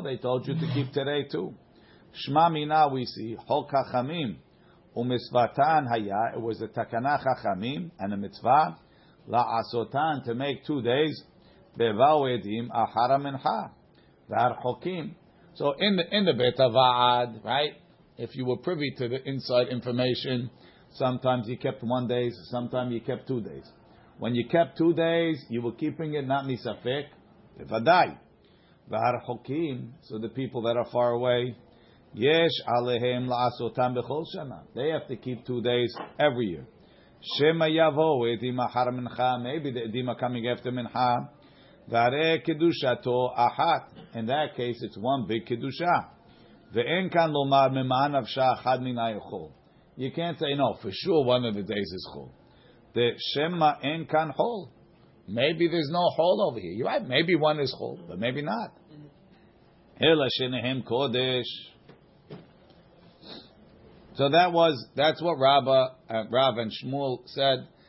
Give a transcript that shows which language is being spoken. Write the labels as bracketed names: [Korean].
[English] They told you to keep today too. [Hebrew] שמה מינה [English] we see, [Hebrew] חוק חכמים. ומצוותן היה, [English] it was a [Hebrew] תקנה חכמים, [English] and a mitzvah, [Hebrew] לעשותן [English] to make 2 days, [Hebrew] בבאו עדים אחר המנחה, והרחוקים. [English] So in the בית הוועד, right? If you were privy to the inside information, sometimes you kept 1 day, sometimes you kept 2 days. When you kept 2 days, you were keeping it, not [Hebrew] מספק, בוודאי. והרחוקים, [English] so the people that are far away, [Hebrew] יש עליהם לעשותם בכל שנה. [English] They have to keep 2 days every year. [Hebrew] שמה יבואו עדים אחר מנחה, [English] maybe the עדים are coming after מנחה, [Hebrew] והרי קדושתו אחת. [English] In that case, it's one big [Hebrew] קדושה. ואין כאן לומר ממה נפשה אחד מן היכול. [English] You can't say, no, for sure one of the days is חול. [Hebrew] שמה אין כאן חול. [English] Maybe there's no חול over here. You're right, maybe one is חול, but maybe not. [Hebrew] אלא שניהם קודש. [English] So that's what Rav and Shmuel said.